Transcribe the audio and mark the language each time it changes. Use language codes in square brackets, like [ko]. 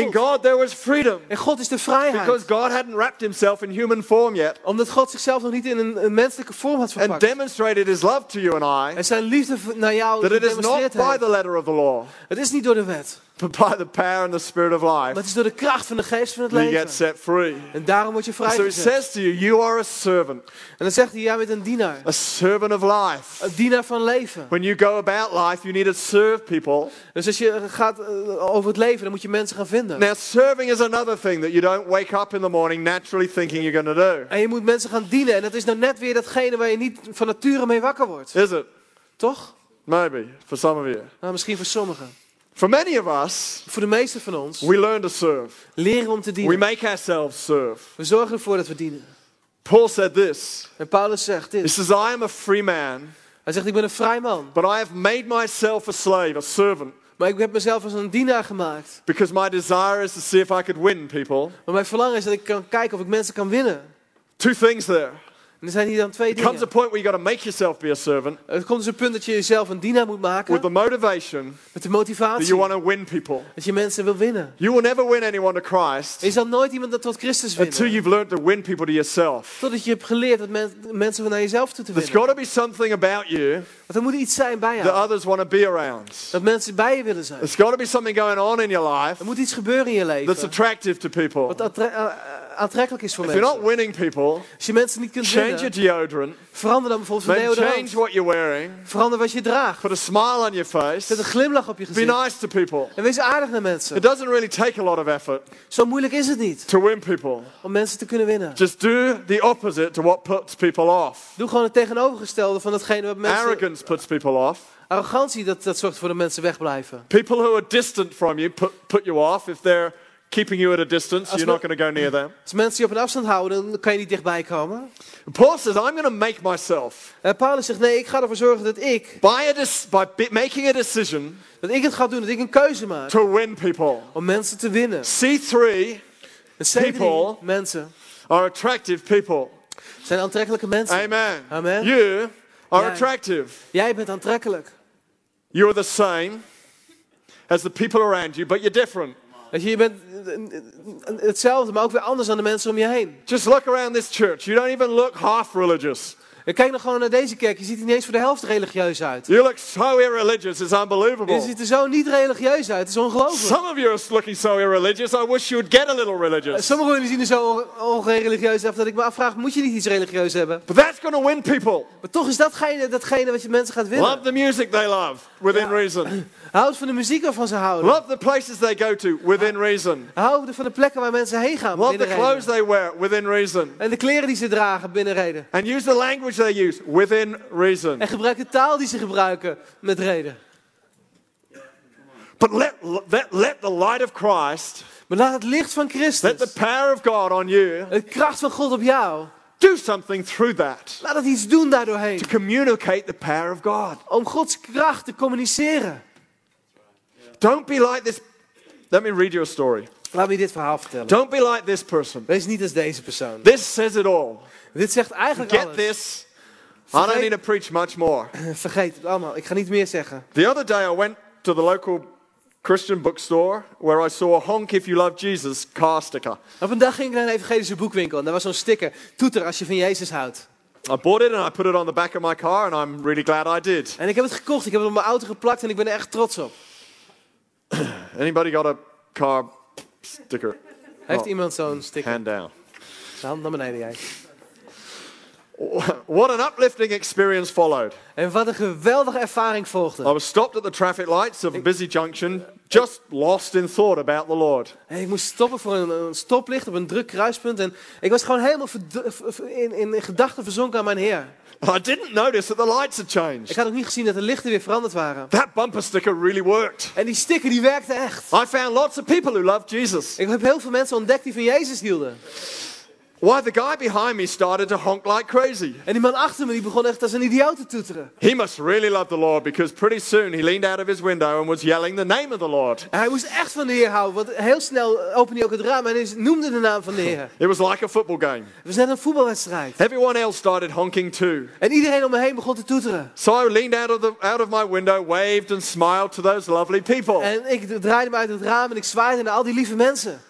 [en] In God there was freedom. [nl] En God is de vrijheid. [en] Because God hadn't wrapped Himself in human form yet, [nl] omdat God zichzelf nog niet in een menselijke vorm had verpakt. [en] And demonstrated His love to you and I, [nl] en zijn liefde naar jou. [en] That it is not by the letter of the law. [nl] Het is niet door de wet. [en] But by the power and the spirit of life. [nl] Maar het is door de kracht van de geest van het leven. [en] You get set free. [nl] En daarom word je vrij. [en] So it says to you, you are a servant. [nl] En dan zegt hij, jij bent een dienaar. [en] A servant of life. [nl] Een dienaar van leven. [en] When you go about life, you need to serve people. [nl] Dus als je gaat over het leven, dan moet je mensen gaan vinden. [en] Now serving is another thing that you don't wake up in the morning naturally thinking you're going to do. [nl] En je moet mensen gaan dienen. En dat is nou net weer datgene waar je niet van nature mee wakker wordt. [en] Is it? [nl] Toch? [en] Maybe, for some of you. [nl] Nou, misschien voor sommigen. [en] For many of us, [nl] voor de meeste van ons, [en] we learn to serve. [nl] Leren om te dienen. [en] We make ourselves serve. [nl] We zorgen ervoor dat we dienen. [en] Paul said this. [nl] En Paulus zegt dit. [en] He says, I am a free man. [nl] Hij zegt, ik ben een vrij man. [en] But I have made myself a slave, a servant. [nl] Maar ik heb mezelf als een dienaar gemaakt. [en] Because my desire is to see if I could win people. [nl] Maar mijn verlangen is dat ik kan kijken of ik mensen kan winnen. [en] Two things there. [nl] En er zijn hier dan twee dingen. [en] It comes a point where you got to make yourself be a servant. [nl] Er komt dus een punt dat je jezelf een dienaar moet maken. [en] With the motivation. [nl] Met de motivatie. [en] That you want to win people. [nl] Dat je mensen wil winnen. [en] You will never win anyone to Christ. [nl] Je zal nooit iemand tot Christus winnen. [en] Until you've learned to win people to yourself. [nl] Totdat je hebt geleerd dat mensen naar jezelf toe te winnen. [en] There's got to be something about you. [nl] Want er moet iets zijn bij jou. [en] That others want to be around. [nl] Dat mensen bij je willen zijn. [en] There's got to be something going on in your life. [nl] Er moet iets gebeuren in je leven. [en] That's attractive to people. [nl] Wat aantrekkelijk is voor mensen. [en] If you're not winning people, [nl] als je mensen niet kunt [en] change [nl] winnen, [en] your deodorant, [nl] verander dan bijvoorbeeld van deodorant. [en] Change what you're wearing, [nl] verander wat je draagt. [en] Put a smile on your face, [nl] zet een glimlach op je gezicht. [en] Be nice to people. [nl] En wees aardig naar mensen. [en] It doesn't really take a lot of effort. [nl] Zo moeilijk is het niet. [en] To win people. [nl] Om mensen te kunnen winnen. [en] Just do the opposite to what puts people off. [nl] Doe gewoon het tegenovergestelde van datgene wat mensen. [en] Arrogance puts people off. [nl] Arrogantie dat zorgt voor de mensen wegblijven. [en] People who are distant from you put you off if they're keeping you at a distance, you're not going to go near them. [nl] Als mensen je op een afstand houden, dan kan je niet dichtbij komen. [en] Paul says, I'm going to make myself. [nl] Paulus zegt, nee, ik ga ervoor zorgen dat ik. [en] By making a decision. [nl] Dat ik het ga doen, dat ik een keuze maak. [en] To win people. [nl] Om mensen te winnen. [en] C3 people. [nl] Mensen. [en] Are attractive people. [nl] Zijn aantrekkelijke mensen. [en] Amen. [nl] Amen. [en] You are attractive. [nl] Jij bent aantrekkelijk. [en] You are the same as the people around you, but you're different. [nl] Je bent hetzelfde, maar ook weer anders dan de mensen om je heen. [en] Just look around this church. You don't even look half religious. [nl] Kijk nog gewoon naar deze kerk. Je ziet er niet eens voor de helft religieus uit. [en] You look so irreligious. It's unbelievable. [nl] Je ziet er zo niet religieus uit. Het is ongelooflijk. [en] Some of you are looking so irreligious. I wish you would get a little religious. [nl] Sommigen van jullie zien er zo onreligieus uit dat ik me afvraag: moet je niet iets religieus hebben? [en] But that's gonna win people. [nl] Maar toch is datgene wat je mensen gaat winnen. [en] Love the music they love. Within reason. [nl] Houd van de muziek waarvan ze houden. [en] Love the places they go to within reason. [nl] Houd van de plekken waar mensen heen gaan. [en] Love the clothes they wear within reason. [nl] En de kleren die ze dragen binnen reden. [en] And use the language they use within reason. [nl] En gebruik de taal die ze gebruiken met reden. [en] But let the light of Christ. [nl] Maar laat het licht van Christus. [en] Let the power of God on you. [nl] De kracht van God op jou. [en] Do something through that. [nl] Laat het iets doen daardoorheen. [en] To communicate the power of God. [nl] Om Gods kracht te communiceren. [en] Don't be like this. Let me read you a story. [nl] Laat me dit verhaal vertellen. [en] Don't be like this person. [nl] Wees niet als deze persoon. [en] This says it all. [nl] Dit zegt eigenlijk [en] Forget [nl] alles. [en] Get this. I don't need to preach much more. [nl] Vergeet het allemaal. Ik ga niet meer zeggen. [en] The other day I went to the local Christian bookstore where I saw a Honk If You Love Jesus car sticker. [nl] Op een dag ging ik naar een evangelische boekwinkel en daar was zo'n sticker. Toeter als je van Jezus houdt. [en] I bought it and I put it on the back of my car and I'm really glad I did. [nl] En ik heb het gekocht. Ik heb het op mijn auto geplakt en ik ben er echt trots op. [en] Anybody got a car sticker? [nl] Heeft iemand zo'n sticker? [en] Hand down. [nl] Hand naar beneden jij. [en] What an uplifting experience followed. [nl] En wat een geweldige ervaring volgde. [en] I was stopped at the traffic lights of a busy junction, just lost in thought about the Lord. [nl] En ik moest stoppen voor een stoplicht op een druk kruispunt en ik was gewoon helemaal in gedachten verzonken aan mijn Heer. [en] I didn't notice that the lights had changed. [nl] Ik had ook niet gezien dat de lichten weer veranderd waren. [en] That bumper sticker really worked. [nl] En die sticker die werkte echt. [en] I found lots of people who loved Jesus. [nl] Ik heb heel veel mensen ontdekt die van Jezus hielden. [en] Why the guy behind me started to honk like crazy. [nl] En die man achter me die begon echt als een idioot te toeteren. [en] He must really love the Lord because pretty soon he leaned out of his window and was yelling the name of the Lord. [nl] En hij moest echt van de Heer houden, want heel snel opende hij ook het raam en hij noemde de naam van de Heer. [en] It was like a football game. [nl] Het was net een voetbalwedstrijd. [en] Everyone else started honking too. [nl] En iedereen om me heen begon te toeteren. [en] So I leaned out of my window, waved and smiled to those lovely people. [nl] En ik draaide me uit het raam en ik zwaaide naar al die lieve mensen.